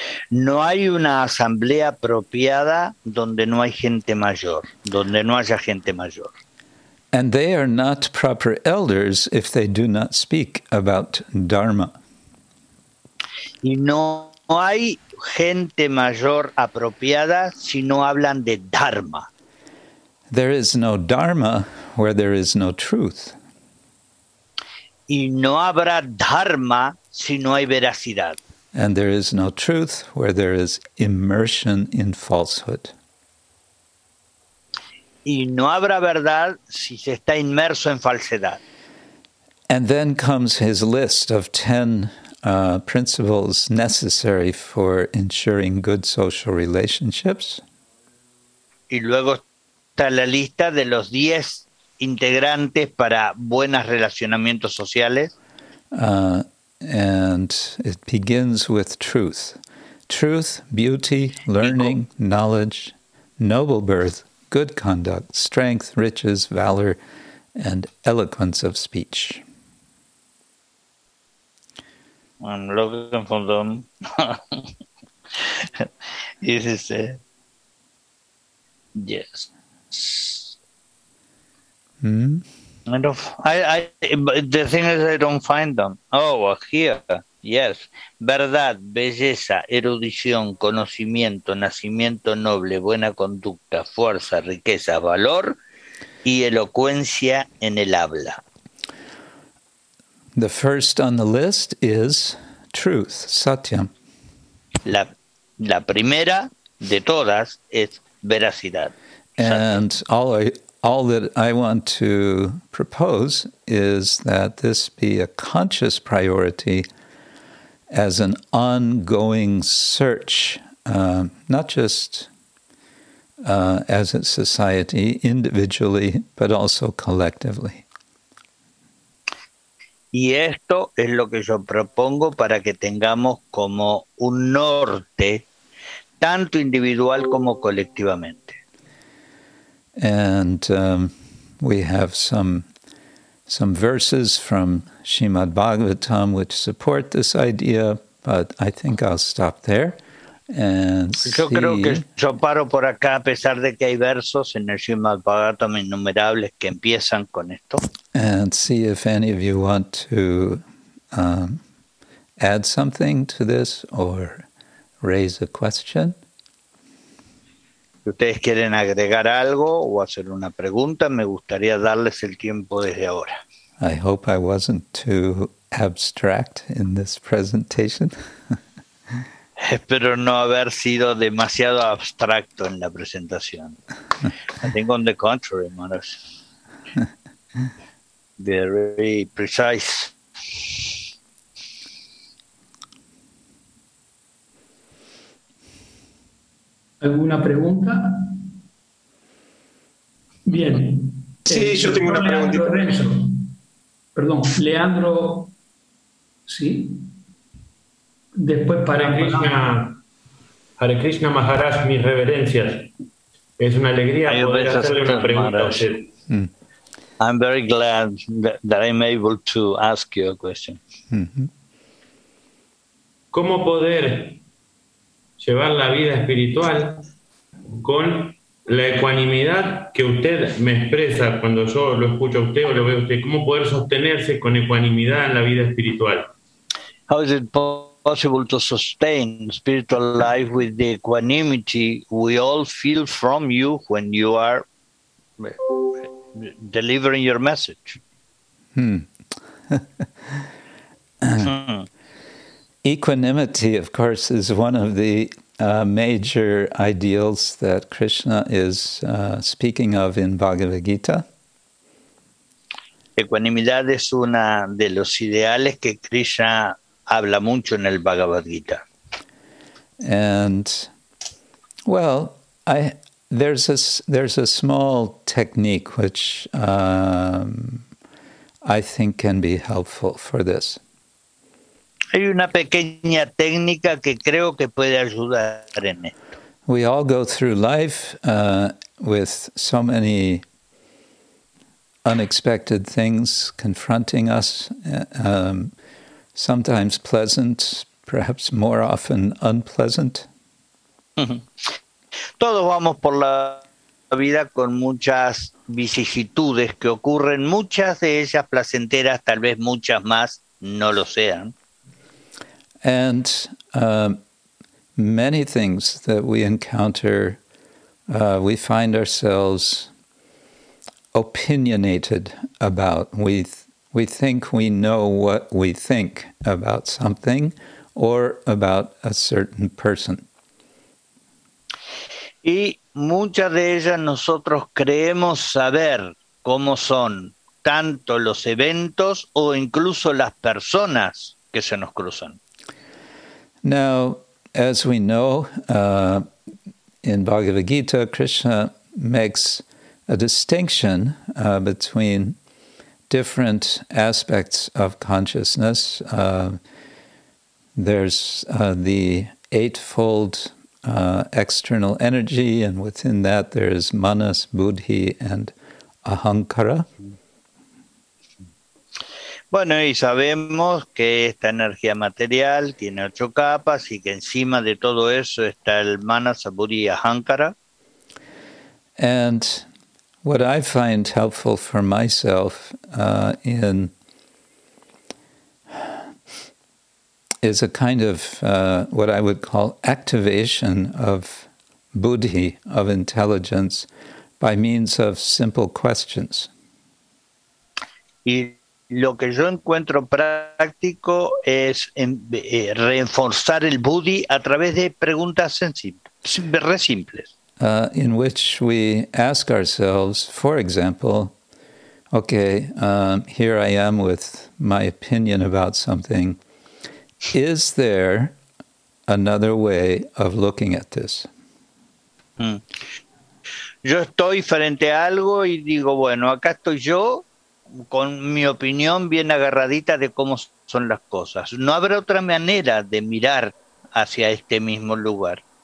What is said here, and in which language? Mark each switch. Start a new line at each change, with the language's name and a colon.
Spanish: No hay una asamblea apropiada donde no hay gente mayor, donde no haya gente mayor.
English: And they are not proper elders if they do not speak about Dharma.
Spanish: Y no hay gente mayor apropiada si no hablan de Dharma.
English: There is no Dharma where there is no truth.
Spanish: Y no habrá Dharma si no hay veracidad.
English: And there is no truth where there is immersion in falsehood.
Spanish: Y no habrá verdad si se está inmerso en falsedad.
English: And then comes his list of 10 principles necessary for ensuring good social relationships.
Spanish: Y luego está la lista de los 10 integrantes para buenos relacionamientos sociales.
English: And it begins with truth. Truth, beauty, learning, knowledge, noble birth, good conduct, strength, riches, valor, and eloquence of speech. I'm looking for them. This is it. Yes. The thing is, I don't find them. Oh, here. Yes.
Spanish: Verdad, belleza, erudición, conocimiento, nacimiento noble, buena conducta, fuerza, riqueza, valor, y elocuencia en el habla.
English: The first on the list is truth, satyam.
Spanish: La primera de todas es veracidad.
English: And all that I want to propose is that this be a conscious priority as an ongoing search, not just as a society individually, but also collectively.
Spanish: Y esto es lo que yo propongo para que tengamos como un norte, tanto individual como colectivamente.
English: And we have some verses from Srimad Bhagavatam which support this idea, but I think I'll stop there. And
Spanish: yo creo que yo paro por acá, a pesar de que hay versos en el Srimad Bhagavatam innumerables que empiezan con esto.
English: And see if any of you want to add something to this or raise a question.
Spanish: Si ustedes quieren agregar algo o hacer una pregunta, me gustaría darles el tiempo desde ahora.
English: I hope I wasn't too abstract in this presentation.
Spanish: espero no haber sido demasiado abstracto en la presentación.
English: I think on the contrary, Manos. Very precise.
Spanish: ¿Alguna pregunta? Bien. Sí, yo tengo una pregunta. Leandro Renzo. Perdón, Leandro. Sí. Después para Krishna. Hare Krishna Maharaj, mis reverencias. Es una alegría I poder hacerle una pregunta a usted.
English: I'm very glad that I'm able to ask you a question.
Spanish: ¿Cómo poder llevar la vida espiritual con la ecuanimidad que usted me expresa cuando yo lo escucho a usted o lo veo a usted? ¿Cómo poder sostenerse con ecuanimidad en la vida espiritual?
English: How is it possible to sustain spiritual life with the equanimity we all feel from you when you are delivering your message? Equanimity, of course, is one of the major ideals that Krishna is speaking of in Bhagavad Gita.
Spanish: Equanimidad es una de los ideales que Krishna habla mucho en el Bhagavad Gita.
English: And, well, there's a small technique which I think can be helpful for this.
Spanish: Hay una pequeña técnica que creo que puede ayudar en esto.
English: We all go through life with so many unexpected things confronting us, sometimes pleasant, perhaps more often unpleasant.
Spanish: Todos vamos por la vida con muchas vicisitudes que ocurren, muchas de ellas placenteras, tal vez muchas más no lo sean.
English: And many things that we encounter, we find ourselves opinionated about. We think we know what we think about something or about a certain person.
Spanish: Y muchas de ellas nosotros creemos saber cómo son tanto los eventos o incluso las personas que se nos cruzan.
English: Now, as we know, in Bhagavad Gita, Krishna makes a distinction between different aspects of consciousness. There's the eightfold external energy, and within that there is manas, buddhi, and ahankara.
Spanish: Bueno, y sabemos que esta energía material tiene 8 capas y que encima de todo eso está el manas, buddhi, ahankara.
English: And what I find helpful for myself is a kind of what I would call activation of buddhi, of intelligence, by means of simple questions.
Spanish: Lo que yo encuentro práctico es reforzar el buddhi a través de preguntas re simples.
English: In which we ask ourselves, for example, okay, here I am with my opinion about something. Is there another way of looking at this?
Spanish: Yo estoy frente a algo y digo, bueno, acá estoy yo, con mi opinión bien agarradita de cómo son las cosas. No habrá otra manera de mirar hacia este mismo lugar.